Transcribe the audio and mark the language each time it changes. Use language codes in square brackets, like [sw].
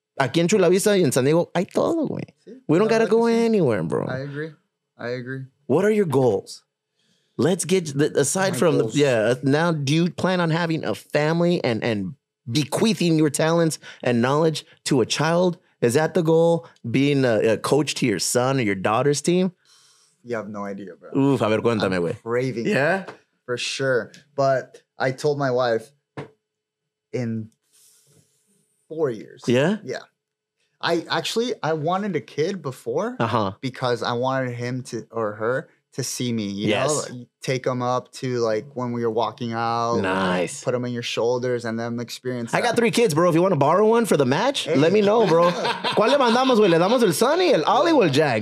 [es] Aquí en Chula Vista y en San Diego, hay todo, güey. [en] We don't gotta go anywhere, bro. I agree. What are your goals? Let's get, now, do you plan on having a family and bequeathing your talents and knowledge to a child? Is that the goal? Being a coach to your son or your daughter's team? You have no idea, bro. [es] Oof, a ver, cuéntame, güey. [en] I'm craving. Yeah? For sure. But I told my wife in 4 years. Yeah? Yeah. I wanted a kid before because I wanted him to or her to see me, you know, take them up to like when we were walking out. Nice. Put them on your shoulders and then experience that. I got three kids, bro. If you want to borrow one for the match, let me know, bro. [es] ¿Cuál le mandamos, güey? Le damos el Sunny, el Ollie, el Jack.